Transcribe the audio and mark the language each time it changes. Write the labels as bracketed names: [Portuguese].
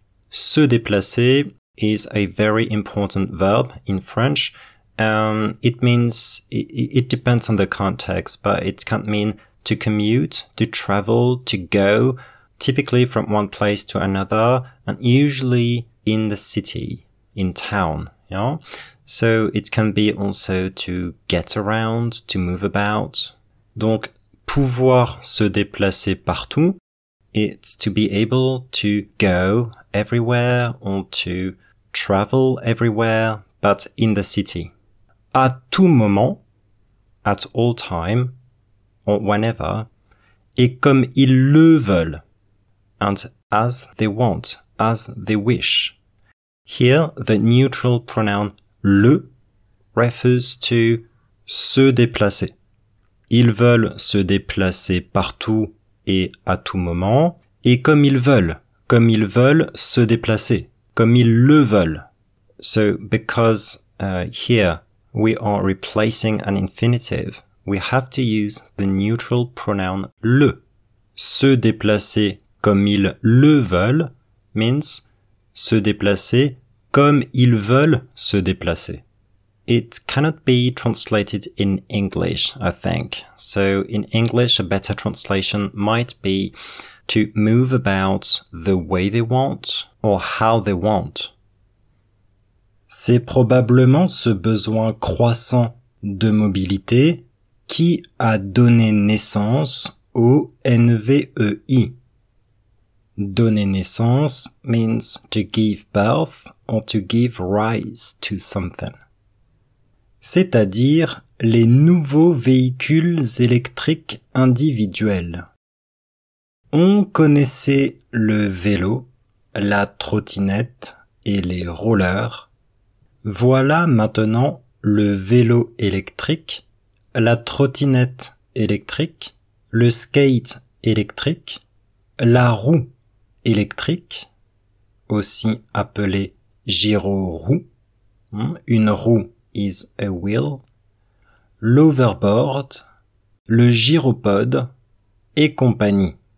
[English] Se déplacer is a very important verb in French. It means, it depends on the context, but it can mean to commute, to travel, to go, typically from one place to another, and usually in the city, in town, you know? So it can be also to get around, to move about. [French] Donc, pouvoir se déplacer partout, [English] it's to be able to go everywhere or to travel everywhere, but in the city. [French] À tout moment, [English] at all time, or whenever, [French] et comme ils le veulent, [English] and as they want, as they wish. Here, the neutral pronoun le refers to [French] se déplacer. ils veulent se déplacer partout et à tout moment, et comme ils veulent se déplacer, comme ils le veulent. [English] So, because here we are replacing an infinitive, we have to use the neutral pronoun le. [French] Se déplacer comme ils le veulent means se déplacer comme ils veulent se déplacer. [English] It cannot be translated in English, I think. So in English, a better translation might be to move about the way they want or how they want. [French] C'est probablement ce besoin croissant de mobilité qui a donné naissance au NVEI. Donner naissance [English] means to give birth or to give rise to something. [French] C'est-à-dire les nouveaux véhicules électriques individuels. On connaissait le vélo, la trottinette et les rollers. Voilà maintenant le vélo électrique, la trottinette électrique, le skate électrique, la roue électrique, aussi appelée gyro-roue, une roue [English] is a wheel, [French] l'overboard, le gyropode et compagnie.